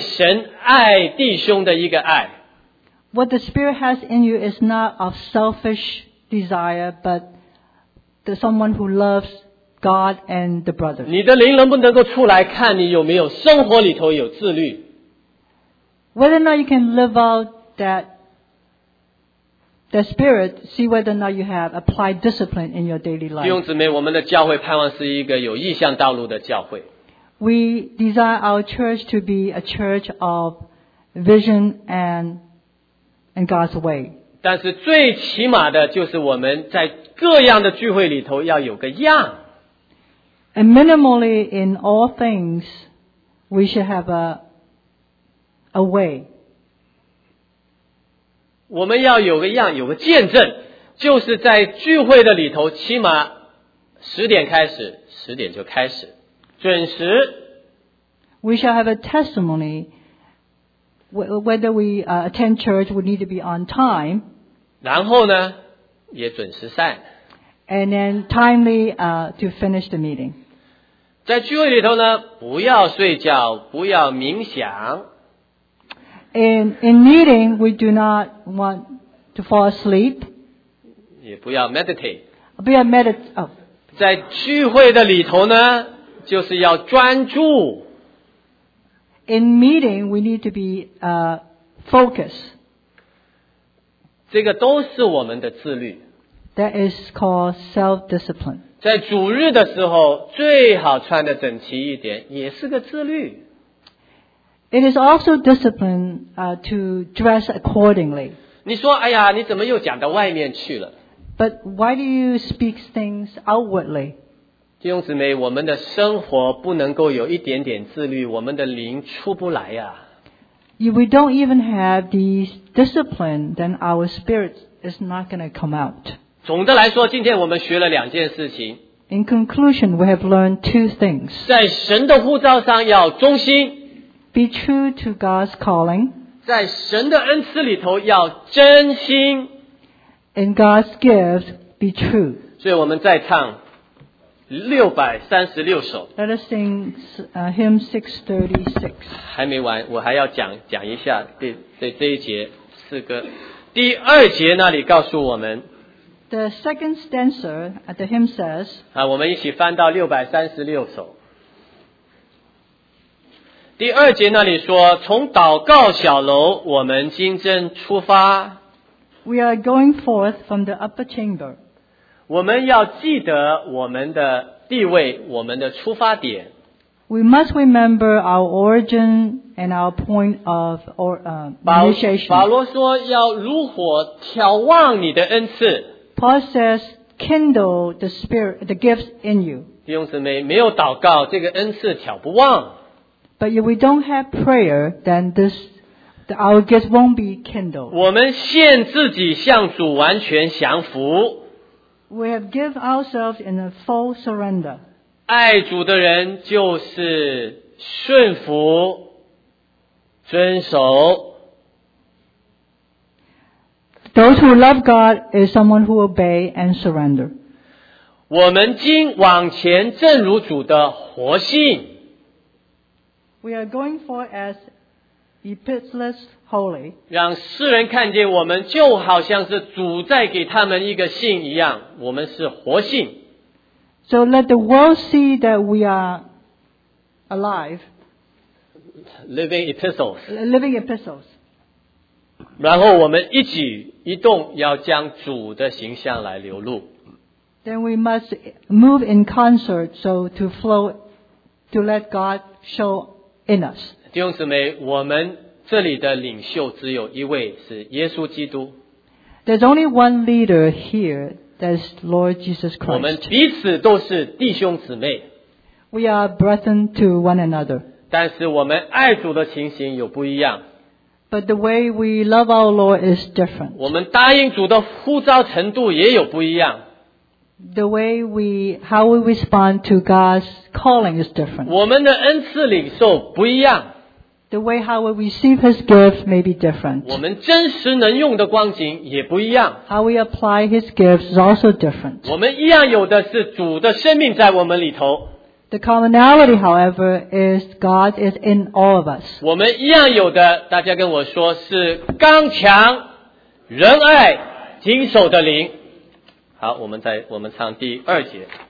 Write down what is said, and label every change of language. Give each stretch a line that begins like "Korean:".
Chinese: 圣灵在你里头不是一个自私的私欲，乃是一个爱神爱弟兄的一个爱。
English: What the Spirit has in you is not of selfish desire, but the someone who loves God and the brother.
Chinese: 你的灵能不能够出来看你有没有生活里头有自律？
English: Whether or not you can live out that spirit, see whether or not you have applied discipline in your daily life.
Chinese: 弟兄姊妹，我们的教会盼望是一个有意向道路的教会。
English: We desire our church to be a church of vision and God's way.
Chinese: 但是最起码的就是我们在各样的聚会里头要有个样。
English: And minimally in all things, we should have a way.
Chinese: 我们要有个样，有个见证，就是在聚会的里头，起码十点开始，十点就开始，准时。
English: We shall have a testimony. Whether we attend church, we need to be on time.
Chinese: 然后呢，也准时散。
English: And then timely to finish the meeting.
Chinese: 在聚会里头呢，不要睡觉，不要冥想。
English: In meeting, we do not want to fall asleep.
Chinese: 也不要
English: meditate.
Chinese: 不要
English: meditate.、Oh.
Chinese: 在聚会的里头呢，就是要专注。
English: In meeting, we need to be focused.
Chinese: 这个都是我们的自律。
English: That is called self-discipline.
Chinese: 在主日的时候，最好穿得整齐一点，也是个自律。
English: It is also discipline to dress accordingly.
Chinese: 你说，哎呀，你怎么又讲到外面去了？
English: But why do you speak things outwardly?
Chinese: 弟兄姊妹，我们的生活不能够有一点点自律，我们的灵出不来呀。
English: If we don't even have these discipline, then our spirit is not going to come out.
Chinese: 总的来说，今天我们学了两件事情。
English: In conclusion, we have learned two things.
Chinese: 在神的呼召上要忠心。
English: Be true to God's calling.
Chinese: 在神的恩赐里头要真心。
English: In God's gift, be true.
Chinese: 所以我们再唱636首。
English: Let us sing hymn 636.
Chinese: 还没完，我还要讲一下这一节诗歌。第二节那里告诉我们。
English: The second stanza at the hymn says.
Chinese: 我们一起翻到636首。第二节那里说，从祷告小楼，我们今正出发。
English: We are going forth from the upper chamber.
Chinese: 我们要记得我们的地位，我们的出发点。
English: We must remember our origin and our point of initiation.
Chinese: 保罗说，要如火眺望你的恩赐。
English: Paul says, kindle the spirit, the gifts in you.
Chinese: 弟兄姊妹，没有祷告，这个恩赐眺不望。
English: But if we don't have prayer, then our gifts won't be kindled.
Chinese: 我们献自己向主完全降服。
English: We have given ourselves in a full surrender.
Chinese: 爱主的人就是顺服、遵守。
English: Those who love God is someone who obey and surrender.
Chinese: 我们今往前，正如主的活性。
English: We are going for as epistles holy.
Chinese: 让世人看见我们就好像是主在给他们一个信一样，我们是活信。
English: So let the world see that we are alive. Living epistles. Living epistles.
Chinese: 然后我们一举一动要将主的形象来流露。
English: Then we must move in concert so to flow, to let God show in us.
Chinese: 弟兄姊妹，我们这里的领袖只有一位，是耶稣基督。
English: There's only one leader here, that's Lord Jesus Christ.
Chinese: 我们彼此都是弟兄姊妹。
English: We are brethren to one another.
Chinese: 但是我们爱主的情形有不一样。
English: But the way we love our Lord is different.
Chinese: 我们答应主的呼召程度也有不一样。
English: The way we, how we respond to God's calling is different.
Chinese: 我们的恩赐领受不一样。
English: The way how we receive His gift may be different.
Chinese: 我们真实能用的光景也不一样。
English: How we apply His gifts is also different.
Chinese: 我们一样有的是主的生命在我们里头。
English: The commonality, however, is God is in all of us.
Chinese: 我们一样有的，大家跟我说，是刚强、仁爱、谨守的灵。好，我们唱第二节。